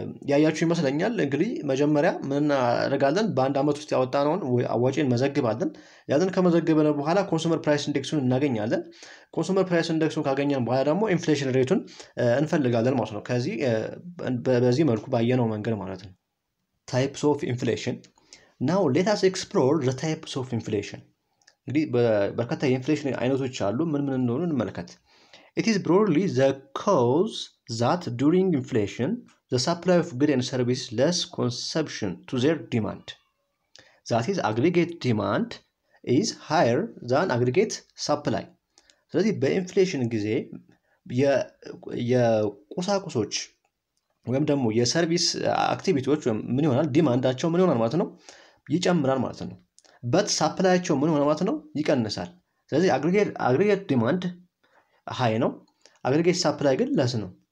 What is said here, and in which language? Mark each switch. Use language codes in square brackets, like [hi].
[am] ያያችሁ ይመስለኛል እንግዲህ መጀመሪያ ምን እናደርጋለን በአንድ አመት ውስጥ ያወጣነውን አዋጪን መዘግባለን ያንን ከመዘገበነ በኋላ ኮንሱመር ፕራይስ ኢንዴክሱን እናገኛለን ኮንሱመር ፕራይስ ኢንዴክሱን ካገኘን በኋላ ደግሞ ኢንፍሌሽን ሬቱን እንፈልጋለን ማለት ነው ከዚህ በዚህ መልኩ ባየነው መንገድ ማለት ነው ታይፕስ ኦፍ ኢንፍሌሽን [en] Now let us explore the types of inflation. [am] እንግዲህ በርካታ የኢንፍሌሽን አይነቶች አሉ ምን ምን እንደሆኑ እንመለከት። [en] It is broadly the cause that during inflation the supply of goods and services less consumption to their demand. that is aggregate demand is higher than aggregate supply. [am] ስለዚህ በኢንፍሌሽን ጊዜ የቁሳቁሶች ወይም ደግሞ የሰርቪስ አክቲቪቲዎች ምን ይሆናል ዲማንዳቸው ምን ይሆናል ማለት ነው ይጨምራል ማለት ነው በት ሰፕላይቸው ምን ይሆናል ማለት ነው ይቀንሳል ስለዚህ አግሪጌት ዲማንድ ሃይ ነው አግሪጌት ሰፕላይ ግን ለስ ነው